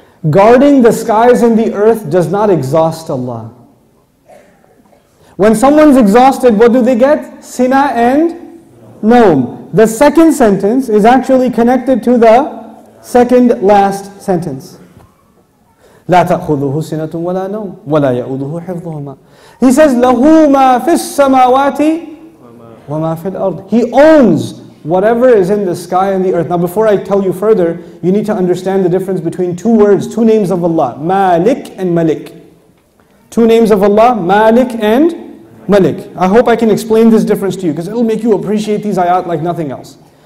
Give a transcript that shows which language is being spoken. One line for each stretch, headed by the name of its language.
English: Guarding the skies and the earth does not exhaust Allah. When someone's exhausted, what do they get? Sina and Nom. The second sentence is actually connected to the second last sentence.
Arabic: لَا تَأْخُذُهُ سِنَةٌ وَلَا نَوْمٌ وَلَا يَعُودُهُ حِفْظُهُمَا.
English: He says,
Arabic: لَهُ مَا فِي السَّمَاوَاتِ وَمَا فِي الْأَرْضِ.
English: He owns whatever is in the sky and the earth. Now before I tell you further, you need to understand the difference between two words, two names of Allah, Malik and Malik. Two names of Allah, Malik and Malik. I hope I can explain this difference to you, because it will make you appreciate these ayat like nothing else.